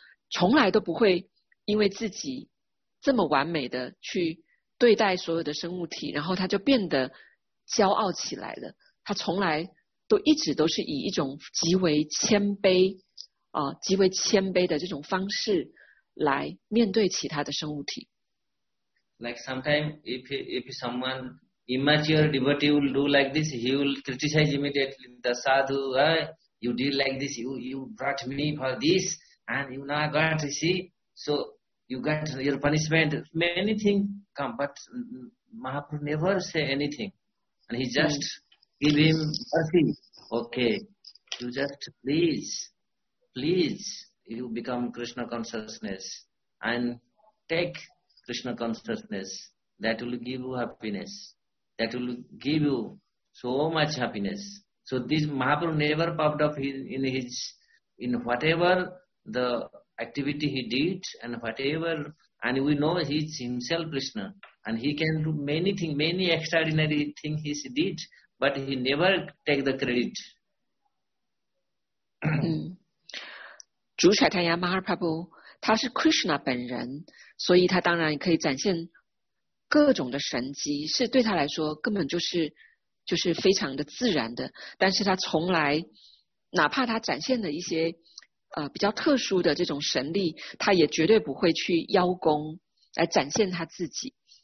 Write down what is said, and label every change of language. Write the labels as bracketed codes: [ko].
[zh] 从来都不会因为自己这么完美的去对待所有的生物体然后他就变得骄傲起来了，他从来都一直都是以一种极为谦卑的这种方式来面对其他的生物体。 [en] Like sometimes if someone immature devotee will do like this, he will criticize immediately the sadhu, you did like this, you brought me for this, and you now got to see, so you got your punishment, many things come, but Mahaprabhu never say anything, and he just give him mercy, okay, you just please, you become Krishna consciousness, and take Krishna consciousness, that will give you happiness, that will give you so much happiness. So this Mahaprabhu never popped up in whatever the activity he did and whatever, and we know he is himself Krishna, and he can do many things, many extraordinary things he did, but he never take the credit. [zh] 主查坦亚马哈巴布他是 Krishna 本人，所以他当然可以展现各种的神迹，是对他来说根本就是非常的自然的，但是他从来哪怕他展现了一些比较特殊的这种神力，他也绝对不会去邀功来展现他自己。